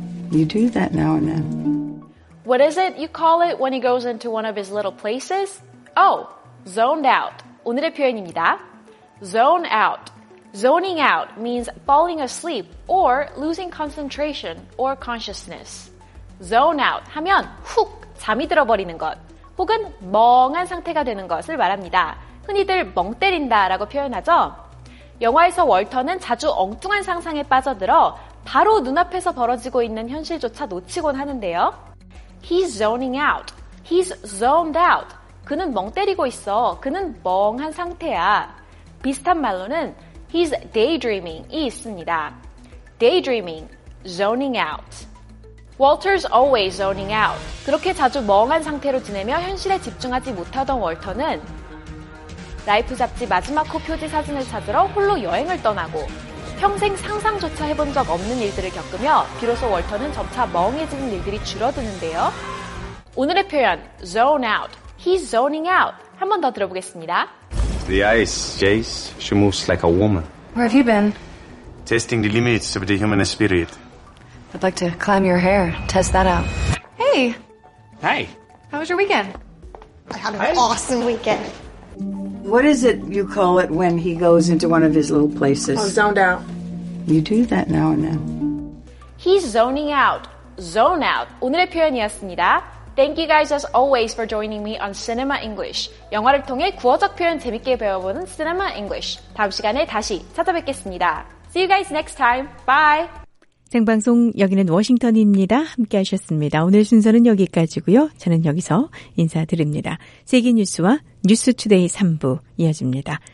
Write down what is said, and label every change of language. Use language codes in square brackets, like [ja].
[en] You do that now and then. What is it you call it when he goes into one of his little places? Oh, zoned out. [ko] 오늘의 표현입니다. [en] Zone out. Zoning out means falling asleep or losing concentration or consciousness. Zone out [ko] 하면 훅 잠이 들어버리는 것 혹은 멍한 상태가 되는 것을 말합니다. 흔히들 멍 때린다라고 표현하죠. 영화에서 월터는 자주 엉뚱한 상상에 빠져들어 바로 눈앞에서 벌어지고 있는 현실조차 놓치곤 하는데요. [en] He's zoning out. He's zoned out. [ko] 그는 멍 때리고 있어. 그는 멍한 상태야. 비슷한 말로는 [en] He's daydreaming [ko] 이 있습니다. [en] Daydreaming, zoning out. Walter's always zoning out. [ko] 그렇게 자주 멍한 상태로 지내며 현실에 집중하지 못하던 월터는 라이프 잡지 마지막 호 표지 사진을 찾으러 홀로 여행을 떠나고 평생 상상조차 해본 적 없는 일들을 겪으며 비로소 월터는 점차 멍해지는 일들이 줄어드는데요. 오늘의 표현, [en] zone out. He's zoning out. [ko] 한 번 더 들어보겠습니다. [en] The ice, Jace, she moves like a woman. Where have you been? Testing the limits of the human spirit. I'd like to climb your hair, test that out. Hey! Hey! How was your weekend? I had an awesome weekend. What is it you call it when he goes into one of his little places? Oh, zoned out. You do that now and then. He's zoning out. Zone out. [ko] 오늘의 표현이었습니다. [en] Thank you guys as always for joining me on Cinema English. [ko] 영화를 통해 구어적 표현 재밌게 배워보는 Cinema English. 다음 시간에 다시 찾아뵙겠습니다. [en] See you guys next time. Bye. [ko] 생방송 여기는 워싱턴입니다. 함께 하셨습니다. 오늘 순서는 여기까지고요. 저는 여기서 인사드립니다. 세계뉴스와 뉴스투데이 3부 이어집니다.